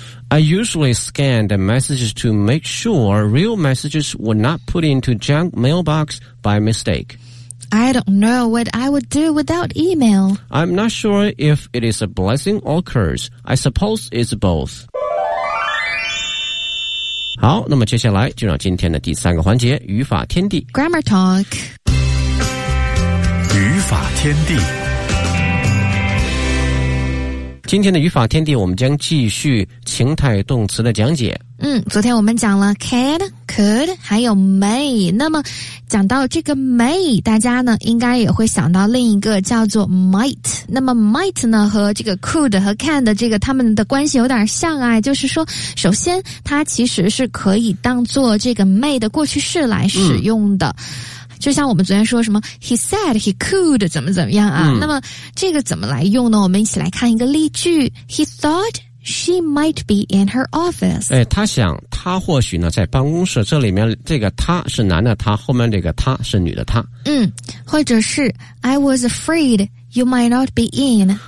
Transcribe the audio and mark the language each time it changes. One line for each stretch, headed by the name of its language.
English: I usually scan the messages to make sure real messages were not put into junk mailbox by mistake. I don't know what I would do without email. I'm not sure if it is a blessing or curse. I suppose it's both.
Chinese: 好，那么接下来进入今天的第三个环节，语法天地。
English: Grammar Talk.
Chinese: 语法天地。今天的语法天地，我们将继续情态动词的讲解。昨天我们讲了 can, could, 还有 may, 那么讲到这个 may, 大家呢应该也会想到另一个叫做 might, 那么 might 呢和这个 could 和 can 的这个他们的关系有点像啊，就是说首先它其实是可以当做这个 may 的过去式来使用的。就像我们昨天说什么 he said he could 怎么怎么样啊，那么这个怎么来用呢？我们一起来看一个例句。
English: he thoughtShe might be in her office.
Chinese: 哎，他想，他或许呢在办公室。这里面这个他是男的他，后面这个他是女的他。
English: 或者是 I was afraid you might not be in.